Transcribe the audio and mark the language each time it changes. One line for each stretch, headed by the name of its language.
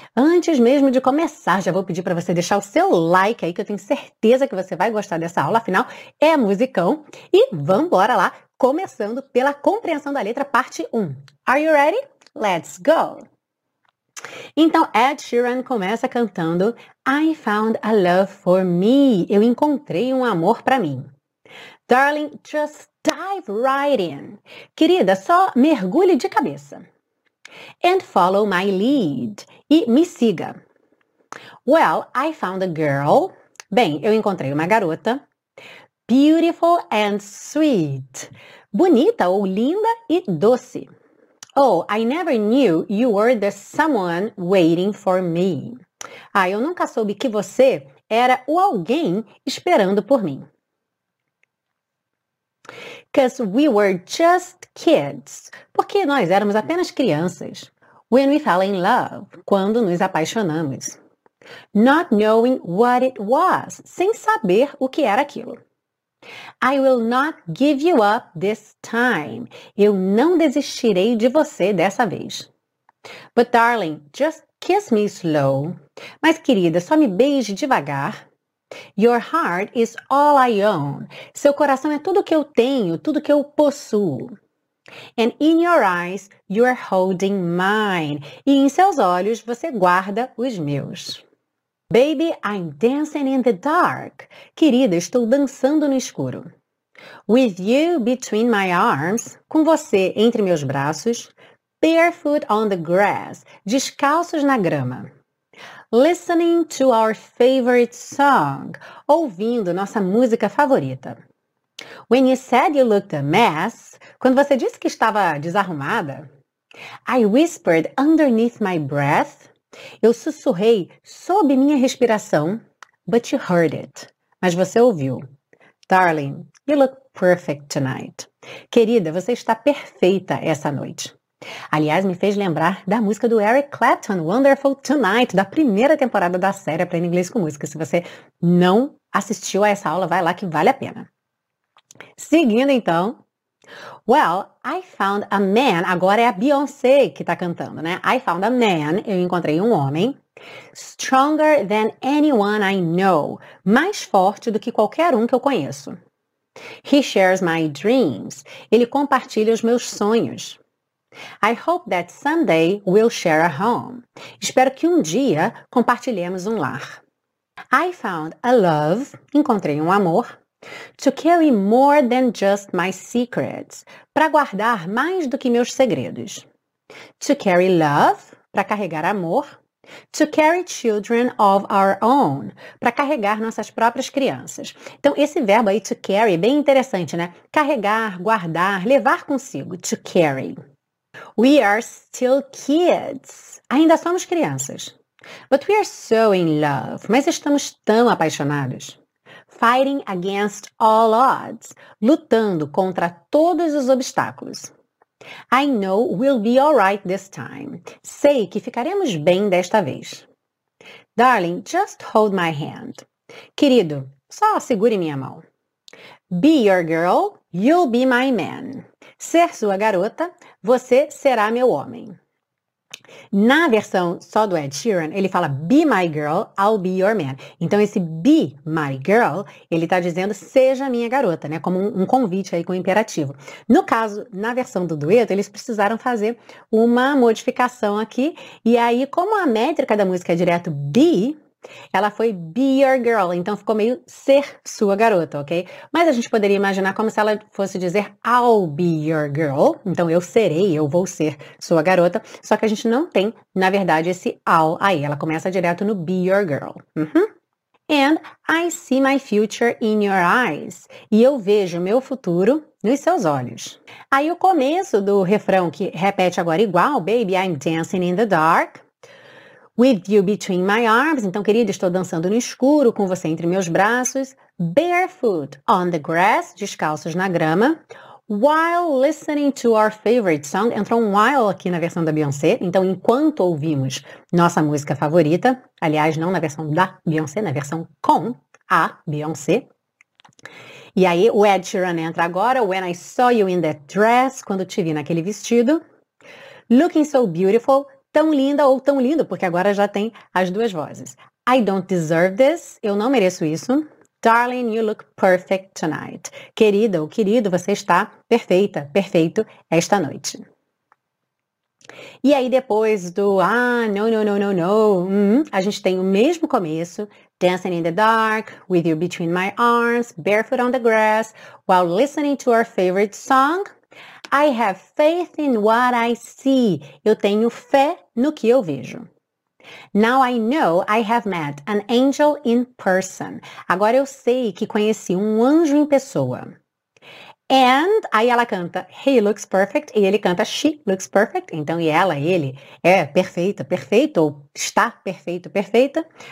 Portuguese: Antes mesmo de começar, já vou pedir para você deixar o seu like aí, que eu tenho certeza que você vai gostar dessa aula, afinal, é musicão. E vambora lá, começando pela compreensão da letra, parte 1.
English: Are you ready? Let's go!
Portuguese: Então, Ed Sheeran começa cantando
English: I found a love for me.
Portuguese: Eu encontrei um amor para mim.
English: Darling, just dive right in.
Portuguese: Querida, só mergulhe de cabeça.
English: And follow my lead.
Portuguese: E me siga.
English: Well, I found a girl.
Portuguese: Bem, eu encontrei uma garota.
English: Beautiful and sweet.
Portuguese: Bonita ou linda e doce.
English: Oh, I never knew you were the someone waiting for me.
Portuguese: Ah, eu nunca soube que você era o alguém esperando por mim.
English: Because we were just kids.
Portuguese: Porque nós éramos apenas crianças.
English: When we fell in love.
Portuguese: Quando nos apaixonamos.
English: Not knowing what it was.
Portuguese: Sem saber o que era aquilo.
English: I will not give you up this time.
Portuguese: Eu não desistirei de você dessa vez.
English: But darling, just kiss me slow.
Portuguese: Mas querida, só me beije devagar.
English: Your heart is all I own.
Portuguese: Seu coração é tudo que eu tenho, tudo que eu possuo.
English: And in your eyes, you are holding mine.
Portuguese: E em seus olhos, você guarda os meus.
English: Baby, I'm dancing in the dark.
Portuguese: Querida, estou dançando no escuro.
English: With you between my arms.
Portuguese: Com você entre meus braços.
English: Barefoot on the grass.
Portuguese: Descalços na grama.
English: Listening to our favorite song.
Portuguese: Ouvindo nossa música favorita.
English: When you said you looked a mess.
Portuguese: Quando você disse que estava desarrumada.
English: I whispered underneath my breath.
Portuguese: Eu sussurrei sob minha respiração,
English: but you heard it.
Portuguese: Mas você ouviu.
English: Darling, you look perfect tonight.
Portuguese: Querida, você está perfeita essa noite. Aliás, me fez lembrar da música do Eric Clapton, Wonderful Tonight, da primeira temporada da série Aprenda Inglês com Música. Se você não assistiu a essa aula, vai lá que vale a pena. Seguindo então.
English: Well, I found a man,
Portuguese: agora é a Beyoncé que está cantando, né?
English: I found a man,
Portuguese: eu encontrei um homem,
English: stronger than anyone I know,
Portuguese: mais forte do que qualquer um que eu conheço.
English: He shares my dreams,
Portuguese: ele compartilha os meus sonhos.
English: I hope that someday we'll share a home.
Portuguese: Espero que um dia compartilhemos um lar.
English: I found a love,
Portuguese: encontrei um amor,
English: to carry more than just my secrets,
Portuguese: para guardar mais do que meus segredos.
English: To carry love,
Portuguese: para carregar amor,
English: to carry children of our own,
Portuguese: para carregar nossas próprias crianças. Então, esse verbo aí, to carry, bem interessante, né? Carregar, guardar, levar consigo, to carry.
English: We are still kids,
Portuguese: ainda somos crianças.
English: But we are so in love,
Portuguese: mas estamos tão apaixonados.
English: Fighting against all odds,
Portuguese: lutando contra todos os obstáculos.
English: I know we'll be all right this time.
Portuguese: Sei que ficaremos bem desta vez.
English: Darling, just hold my hand.
Portuguese: Querido, só segure minha mão.
English: Be your girl, you'll be my man.
Portuguese: Ser sua garota, você será meu homem. Na versão só do Ed Sheeran, ele fala
English: be my girl, I'll be your man.
Portuguese: Então, esse
English: be my girl,
Portuguese: ele está dizendo seja minha garota, né? Como um convite aí com um imperativo. No caso, na versão do dueto, eles precisaram fazer uma modificação aqui. E aí, como a métrica da música é direto be, ela foi
English: be your girl.
Portuguese: Então, ficou meio ser sua garota, ok? Mas a gente poderia imaginar como se ela fosse dizer
English: I'll be your girl.
Portuguese: Então, eu serei, eu vou ser sua garota. Só que a gente não tem, na verdade, esse I'll aí. Ela começa direto no
English: be your girl. Uhum. And I see my future in your eyes.
Portuguese: E eu vejo meu futuro nos seus olhos. Aí, o começo do refrão que repete agora igual,
English: baby, I'm dancing in the dark. With you between my arms,
Portuguese: então, querido, estou dançando no escuro com você entre meus braços.
English: Barefoot on the grass,
Portuguese: descalços na grama.
English: While listening to our favorite song,
Portuguese: entrou um while aqui na versão da Beyoncé. Então, enquanto ouvimos nossa música favorita, aliás, não na versão da Beyoncé, na versão com a Beyoncé. E aí, o Ed Sheeran entra agora.
English: When I saw you in that dress,
Portuguese: quando te vi naquele vestido.
English: Looking so beautiful.
Portuguese: Tão linda ou tão lindo, porque agora já tem as duas vozes.
English: I don't deserve this.
Portuguese: Eu não mereço isso.
English: Darling, you look perfect tonight.
Portuguese: Querida ou querido, você está perfeita, perfeito esta noite. E aí depois do ah, no, no, no, no, no. A gente tem o mesmo começo.
English: Dancing in the dark, with you between my arms, barefoot on the grass, while listening to our favorite song. I have faith in what I see.
Portuguese: Eu tenho fé no que eu vejo.
English: Now I know I have met an angel in person.
Portuguese: Agora eu sei que conheci um anjo em pessoa. And, aí ela canta,
English: he looks perfect.
Portuguese: E ele canta,
English: she looks perfect.
Portuguese: Então, e ela, ele, é perfeita, perfeito, ou está perfeito, perfeita.